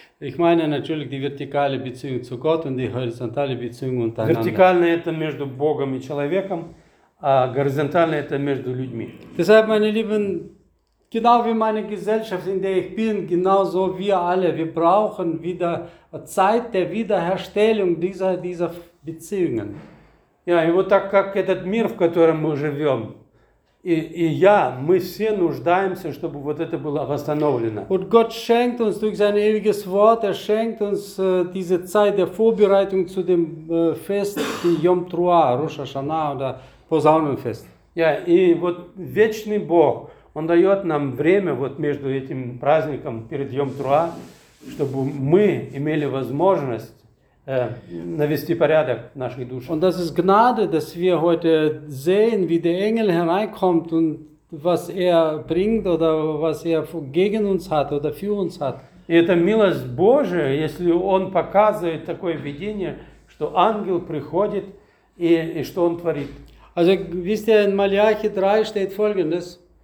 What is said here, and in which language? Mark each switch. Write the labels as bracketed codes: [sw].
[de] Ich meine natürlich die vertikale Beziehung zu Gott und die horizontale Beziehung untereinander. [ru] Вертикально это между Богом и человеком, а горизонтально это между людьми. [de] Deshalb, meine Lieben, genau wie meine Gesellschaft, in der ich bin, genauso wir alle, wir brauchen wieder Zeit der Wiederherstellung dieser Beziehungen. [ru] Ja, и вот так как этот мир, в котором мы живем, и я, мы все нуждаемся, чтобы вот это было восстановлено. [de] Und Gott schenkt uns durch sein ewiges Wort, schenkt uns diese Zeit der Vorbereitung zu dem Fest, die Йом Труа, Рош ха-Шана, oder [ru] по Залменфест. Ja, и вот вечный Бог, Он дает нам время вот между этим праздником, перед Йом-Труа, чтобы мы имели возможность навести порядок в наших душах. [de] Und das ist Gnade, dass wir heute sehen, wie der Engel hereinkommt und was bringt oder was gegen uns hat oder für uns hat. [ru] И это милость Божия, если Он показывает такое видение, что ангел приходит и что Он творит. [de] Also, wisst ihr, in Malachi 3 steht Folgendes.